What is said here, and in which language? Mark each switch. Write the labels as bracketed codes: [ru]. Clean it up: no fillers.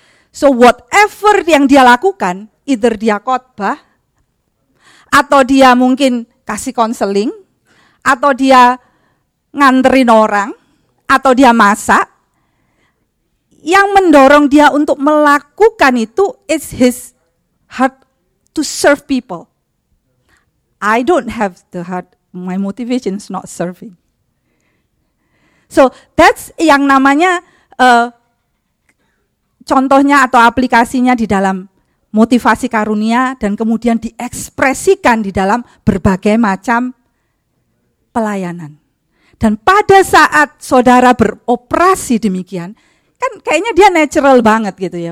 [id] So whatever yang dia lakukan, either dia khotbah atau dia mungkin kasih konseling atau dia nganterin orang atau dia masak, yang mendorong dia untuk melakukan itu [en] is his heart to serve people. I don't have the heart. My motivation is not serving. So that's [id] yang namanya contohnya atau aplikasinya di dalam motivasi karunia dan kemudian diekspresikan di dalam berbagai macam pelayanan. Dan pada saat saudara beroperasi demikian, kan kayaknya dia natural banget gitu ya.